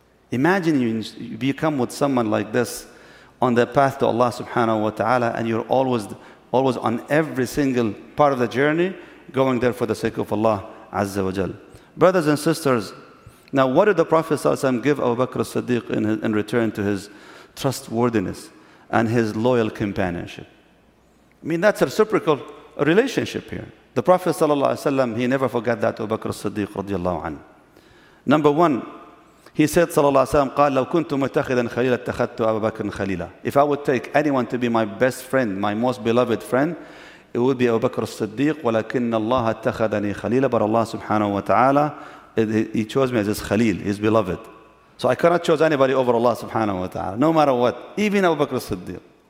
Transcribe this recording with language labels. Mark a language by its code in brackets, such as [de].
[en] Imagine you become with someone like this on the path to Allah subhanahu wa ta'ala, and you're always on every single part of the journey, going there for the sake of Allah azza wa jal. Brothers and sisters, now what did the Prophet sallallahu alayhi wa sallam give Abu Bakr as-Siddiq in return to his trustworthiness and his loyal companionship? I mean, that's a reciprocal relationship here. The Prophet sallallahu alaihi wasallam, he never forgot that to Abu Bakr as-Siddiq radiyallahu anhu. Number one, he said sallallahu alaihi wasallam, [ar] قال لو كنت متخذا خليلا اتخذت أبو بكر خليلا. [en] If I would take anyone to be my best friend, my most beloved friend, it would be Abu Bakr as-Siddiq. [ar] ولكن الله اتخذني خليلا. [en] But Allah subhanahu wa ta'ala, he chose me as his khalil, his beloved. So I cannot choose anybody over Allah subhanahu wa ta'ala, no matter what, even Abu Bakr as-Siddiq.